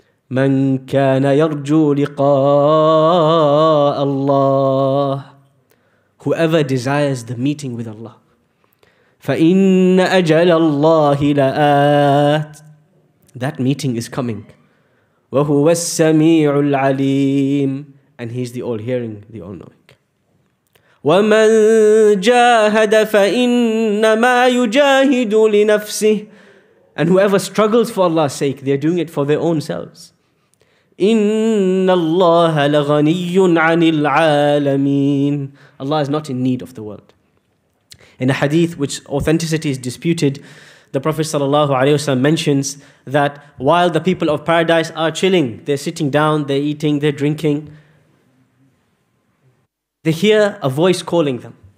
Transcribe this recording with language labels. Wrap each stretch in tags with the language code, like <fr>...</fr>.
<ar>من كان يرجو لقاء الله,</ar> <en>whoever desires the meeting with Allah.</en> <ar>فإن أجل الله لآت,</ar> <en>that meeting is coming.</en> <ar>وهو السميع العليم,</ar> <en>and he's the all-hearing, the all-knowing.</en> <ar>ومن جاهد فإنما يجاهد لنفسه,</ar> <en>and whoever struggles for Allah's sake, they're doing it for their own selves.</en> <ar>إِنَّ اللَّهَ لَغَنِيٌّ عَنِ الْعَالَمِينَ,</ar> <en>Allah is not in need of the world. In a hadith which authenticity is disputed, the Prophet ﷺ mentions that while the people of paradise are chilling, they're sitting down, they're eating, they're drinking, they hear a voice calling them.</en>